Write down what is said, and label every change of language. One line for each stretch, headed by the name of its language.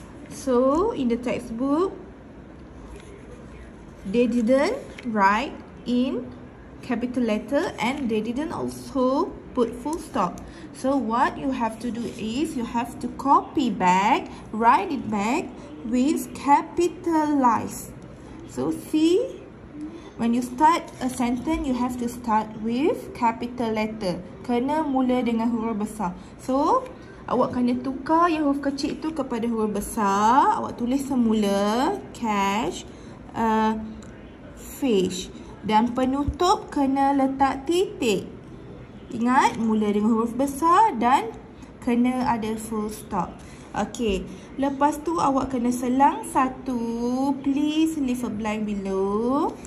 English: So, in the textbook, they didn't write in capital letter and they didn't also put full stop. So, what you have to do is you have to copy back, write it back with capitalized. So, see, when you start a sentence, you have to start with capital letter.
Malay: Kena mula dengan huruf besar.
English: So,
Malay: awak kena tukar yang huruf kecil itu kepada huruf besar. Awak tulis semula.
English: Catch a fish.
Malay: Dan penutup kena letak titik. Ingat, mula dengan huruf besar dan kena ada full stop. Okay. Lepas tu awak kena selang satu.
English: Please leave a blank below.